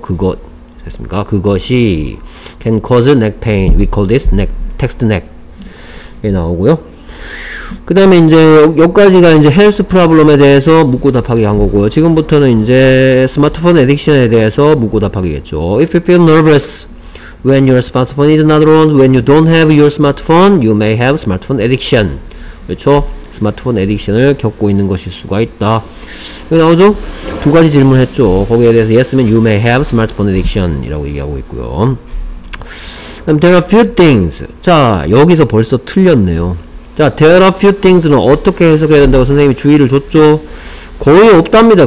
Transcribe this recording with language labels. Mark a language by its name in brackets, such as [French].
[Korean] 그것 됐습니까? 그것이 [English] can cause neck pain. We call this neck, text neck.에 나오고요. [Korean] 그 다음에 이제 여기까지가 이제 헬스 프로블럼에 대해서 묻고 답하기 한 거고요. 지금부터는 이제 스마트폰 에딕션에 대해서 묻고 답하기겠죠. [English] If you feel nervous when your smartphone is not on, when you don't have your smartphone, you may have smartphone addiction. [Korean] 그렇죠? 스마트폰 에딕션을 겪고 있는 것일 수가 있다. 여기 나오죠? 두 가지 질문을 했죠. 거기에 대해서 [English] yes, you may have smartphone addiction [Korean] 이라고 얘기하고 있고요. [English] There are few things. [Korean] 자, 여기서 벌써 틀렸네요. 자, [English] there are few things [Korean] 는 어떻게 해석해야 된다고 선생님이 주의를 줬죠? 거의 없답니다.